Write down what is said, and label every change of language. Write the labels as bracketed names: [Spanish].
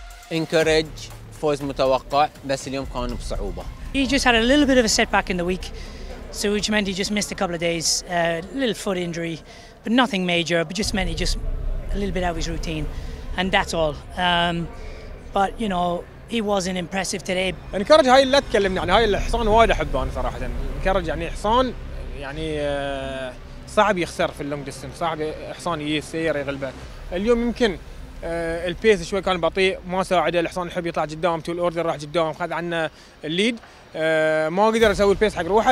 [Arabic] Encourage فوز متوقع بس اليوم كان بصعوبة. [English] He just had a little bit of a setback in the week, so which meant he just missed a couple of days, a little foot injury, but nothing major. But just meant he just a little bit out of his routine, and that's all. But you know, he wasn't impressive today. [Arabic] Encourage هاي لا تكلم يعني هاي الحصان وايد أحبه أنا صراحة. Encourage يعني حصان يعني صعب يخسر في اللونج ديستنس، صعب حصان يسير يغلبه. اليوم يمكن البيس شوي كان بطيء ما ساعده، الحصان يحب يطلع قدام، تو الاوردر راح قدام خذ عنا الليد، ما قدر يسوي البيس حق روحه.